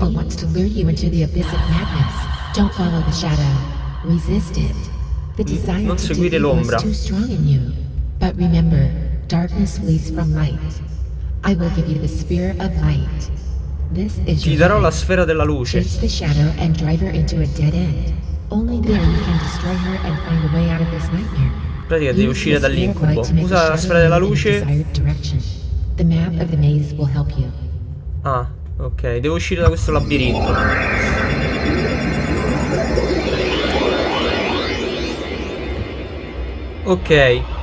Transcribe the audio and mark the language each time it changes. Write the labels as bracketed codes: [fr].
[en] The evil wants to lure you into the abyss of madness. Don't follow the shadow. Resist it. The desire [it] non seguire l'ombra. [en] Is too strong in you. But remember, darkness flees from light. I will give you the spear of light. [it] Ti darò la sfera della luce. [en] Chase the shadow and drive her into a dead end. Only then you can destroy her and find a way out of this nightmare. [it] Pratica, devi uscire dall'incubo. Usa la sfera della luce. [en] The map of the maze will help you. Ah, ok. [it] Devo uscire da questo labirinto. Ok.